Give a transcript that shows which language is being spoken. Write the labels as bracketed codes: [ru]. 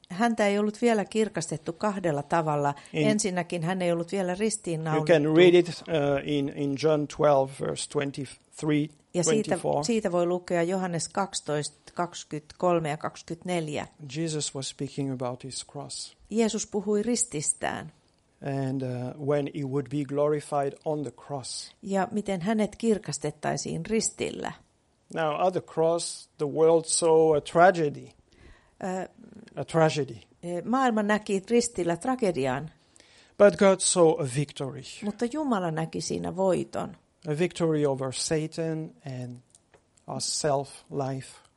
[fi] Häntä ei ollut vielä kirkastettu kahdella tavalla. Ensinnäkin hän ei ollut vielä ristiinnaulittu. [en] You can read it in John 12, verse 23-24. [fi] Ja siitä voi lukea Johannes 12, 23 ja 24. [en] Jesus was speaking about his cross. [fi] Jeesus puhui rististään. [en] And when he would be glorified on the cross. [fi] Ja miten hänet kirkastettaisiin ristillä. [en] Now at the cross, the world saw a tragedy. A tragedy. [fi] Maailma näki ristillä tragedian. [en] But God saw a victory. [fi] Mutta Jumala näki siinä voiton. [en] A victory over Satan and our self life.